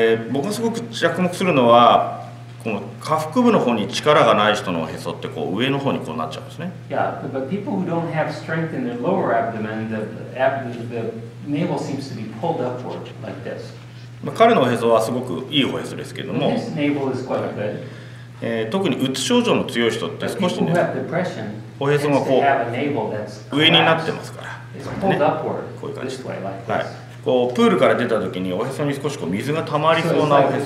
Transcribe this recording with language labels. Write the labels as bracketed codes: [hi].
[ja] 僕がすごく着目するのは。この下腹部の方に力がない人のおへそってこう上の方にこうなっちゃうんですね。 [en] Yeah, but people who don't have strength in their lower abdomen, the navel seems to be pulled upward like this. [ja] 彼のおへそはすごくいいおへそですけども、 [en] This navel is quite good. [ja] 特にうつ症状の強い人って少しね、 [en] people who have depression, [ja] おへそがこう上になってますから。 [en] pulled upward. [ja] こういう感じ。はい。こうプールから出た時におへそに少しこう水がたまりそうなおへそ。